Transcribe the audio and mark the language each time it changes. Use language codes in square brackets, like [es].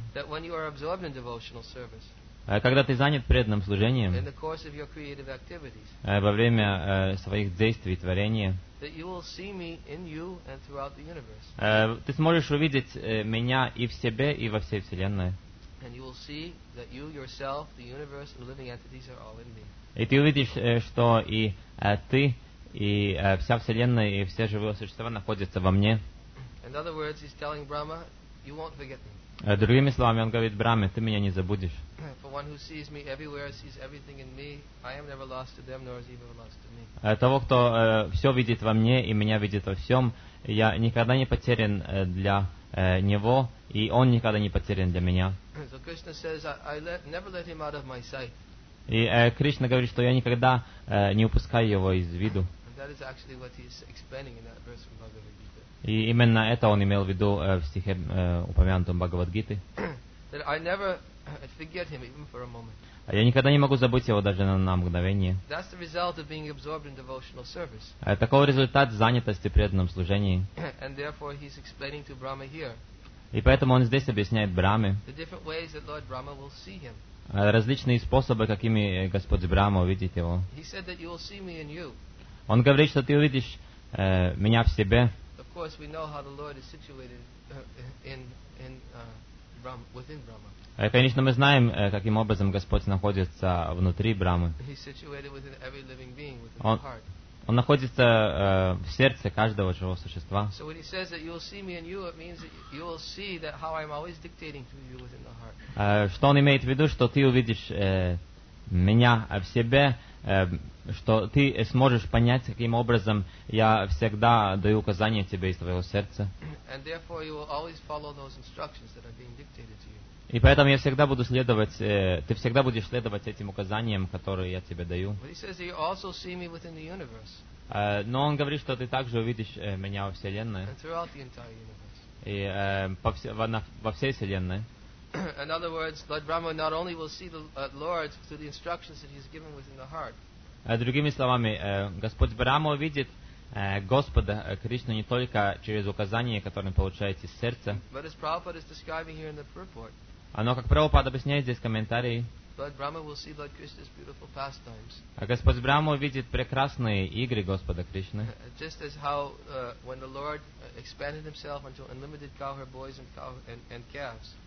[en] that when you are absorbed in devotional service, [ru] когда ты занят преданным служением, [en] in the course of your creative activities, [ru] во время своих действий и творения, [en] that you will see me in you and throughout the universe. [ru] Ты сможешь увидеть меня и в себе, и во всей Вселенной. [en] And you will see that you, yourself, the universe, and the living entities are all in me. [ru] И ты увидишь, что и ты, и вся Вселенная, и все живые существа находятся во мне. [en] In other words, he's telling Brahma, you won't forget me. [ru] Другими словами, он говорит: Браме, ты меня не забудешь. [en] For one who sees me everywhere sees everything in me. I am never lost to them, nor is he ever lost to me. [ru] Того, кто все видит во мне и меня видит во всем, я никогда не потерян для него, и он никогда не потерян для меня. [en] So Krishna says, never let him out of my sight. [ru] И Кришна говорит, что я никогда не упускаю его из виду. [en] That is actually what he is explaining in that verse from Bhagavad Gita. [ru] И именно это он имел в виду в стихе упомянутом Бхагавадгиты. [en] That I never forget him even for a moment. [ru] Я никогда не могу забыть его даже на мгновение. [en] That's the result of being absorbed in devotional service. [ru] Такой результат занятости преданном служении. [en] And therefore he's explaining to Brahma here. [ru] И поэтому он здесь объясняет Браме. [en] The different ways that Lord Brahma will see him. [ru] Различные способы, какими Господь Брама увидит его. [en] He said that you will see me in you. [ru] Он говорит, что ты увидишь меня в себе. [en] Of course, we know how the Lord is situated within Brahma. [ru] Конечно, мы знаем, каким образом Господь находится внутри Брамы. [en] He's situated within every living being, within the heart. [ru] Он находится в сердце каждого живого существа. [en] So when he says that you will see me in you, it means that you will see that how I'm always dictating to you within the heart. [ru] Что он имеет в виду, что ты увидишь меня в себе, что ты сможешь понять, каким образом я всегда даю указания тебе из твоего сердца. [en] And therefore you will always follow those instructions that are being dictated to you. [ru] И поэтому я всегда буду следовать, ты всегда будешь следовать этим указаниям, которые я тебе даю. [en] But he says that you also see me within the universe. [ru] Но он говорит, что ты также увидишь меня во Вселенной. [en] And throughout the entire universe. [ru] И во всей Вселенной. [en] In other words, Lord Brahma not only will see the Lord through the instructions that he's given within the heart. [ru] Другими словами, Господь Брама увидит Господа Кришну не только через указания, которые получает из сердца. [en] But as Prabhupada is describing here in the purport. [ru] Оно, как Прабхупада объясняет здесь в комментарии, Господь Брама увидит прекрасные игры Господа Кришны. [en] Just as how when the Lord expanded himself into unlimited cowherd boys and cows and calves.